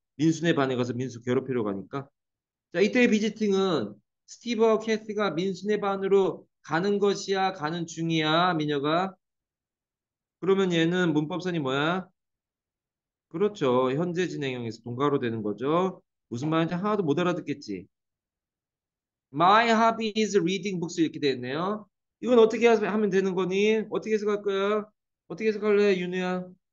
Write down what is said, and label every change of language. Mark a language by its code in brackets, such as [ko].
[ko] 민수네 반에 가서 민수 괴롭히러 가니까. 자, 이때의 비지팅은 스티브와 캐티가 민수네 반으로 가는 것이야, 가는 중이야, 미녀가. 그러면 얘는 문법선이 뭐야? 그렇죠. 현재 진행형에서 동가로 되는 거죠. 무슨 말인지 하나도 못 알아듣겠지. [en] My hobby is reading books [ko] 이렇게 되어 있네요. 이건 어떻게 하면 되는 거니? 어떻게 해석할 거야? 어떻게 해석할래, 윤우야?